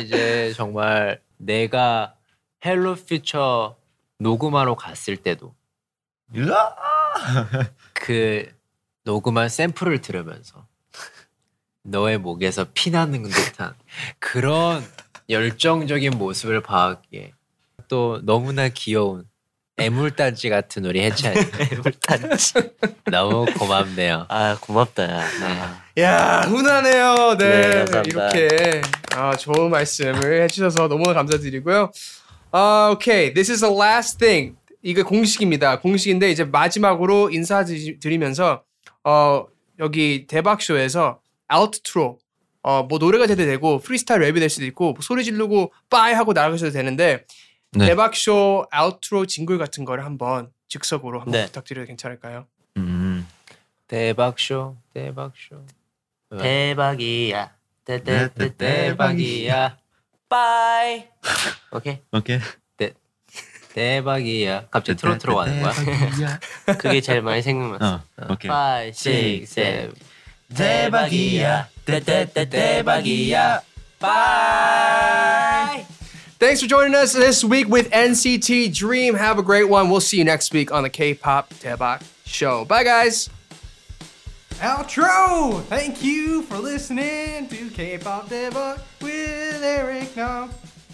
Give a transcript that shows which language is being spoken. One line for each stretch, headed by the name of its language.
Korean: 이제 정말 내가 헬로 퓨처 녹음하러 갔을 때도 그 녹음한 샘플을 들으면서 너의 목에서 피나는 듯한 그런 열정적인 모습을 봤기에 또 너무나 귀여운 애물단지 같은 우리 해찬이 애물단지 너무 고맙네요. 아 고맙다. 야, 야 훈하네요. 네, 네 감사합니다. 이렇게 아 좋은 말씀을 해주셔서 너무나 감사드리고요.
English: 아 오케이, this is the last thing.
Korean: 이게 공식입니다. 공식인데 이제 마지막으로 인사드리면서 여기 대박쇼에서 알트트로 뭐 노래가 돼도 되고 프리스타일 랩이 될 수도 있고 뭐 소리 지르고 빠이 하고 나가셔도 되는데. 네. 대박쇼 아웃트로 징글 같은 걸 한번 즉석으로 한번 네. 부탁드려도 괜찮을까요? 대박쇼 대박쇼 대박이야 대대대 대박이야 빠이 오케이 오케이 대 대박이야 갑자기 트로트로 가는 거야? 그게 제일 많이 생각났어. 오케이 파이 식 셉 대박이야 대대대 대박이야 빠이.
English: Thanks for joining us this week with NCT Dream. Have a great one. We'll see you next week on the K-Pop Daebak Show. Bye, guys. Outro! Thank you for listening to K-Pop Daebak with Eric Nam.